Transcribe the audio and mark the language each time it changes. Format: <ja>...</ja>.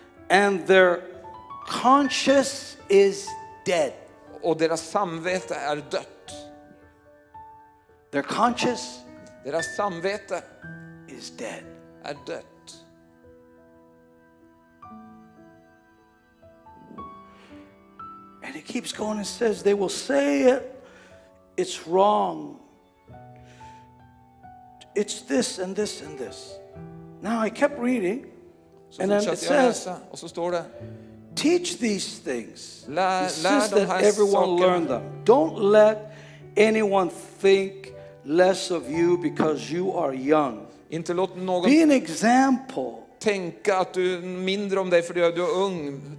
<en>and their conscience is dead.</en> <sv>Och deras samvete är dött.</sv> <en>Their conscience,</en> <sv>deras samvete,</sv> <en>is dead.</en> <sv>Är dött.</sv> <en>And it keeps going and says they will say it, it's wrong. It's this and this and this. Now I kept reading, and then it says,</en> <sv>och så står det,</sv> <en>teach these things.</en> <sv>Lär</sv> <en>it says that everyone learn them. Don't let anyone think less of you because you are young.</en> <sv>Inte låt någon</sv> <en>be an example.</en> <sv>Tänka att du mindre om dig för du är ung.</sv>